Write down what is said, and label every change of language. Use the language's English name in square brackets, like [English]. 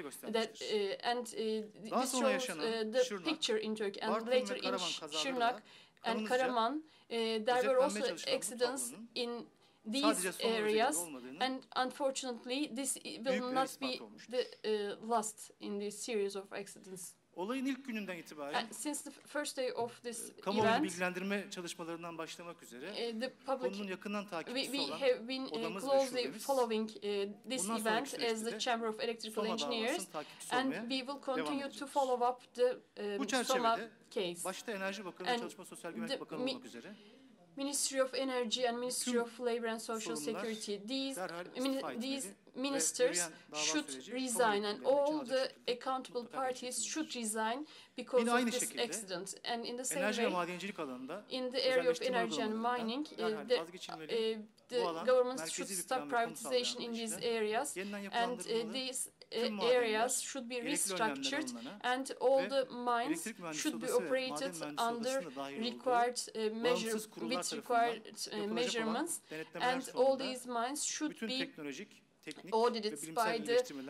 [English] That this shows the picture in Turkey, and later in Şırnak and Karaman, there were also accidents in these areas, and unfortunately, this will not be the last in this series of accidents. [Turkish] Olayın ilk gününden itibaren, [English] since the first day of this [Turkish] kamuoyu bilgilendirme çalışmalarından başlamak üzere, konunun yakından takipçisi olan odamız ve şubemiz, [English] following this event as the Chamber of Electrical Engineers, and we will continue to follow up the Soma case. [Turkish] Başta Enerji Bakanı ve Çalışma Sosyal Güvenlik Bakanı olmak üzere, [English] Ministry of Energy and Ministry of Labor and Social Security, these ministers should resign, and all the accountable parties should resign because of this accident. And in the same way, in the area of energy and mining, the governments should stop privatization in these areas, and these areas should be restructured, and all the mines should be operated under required measures, with required measurements, and all these mines should be audited by the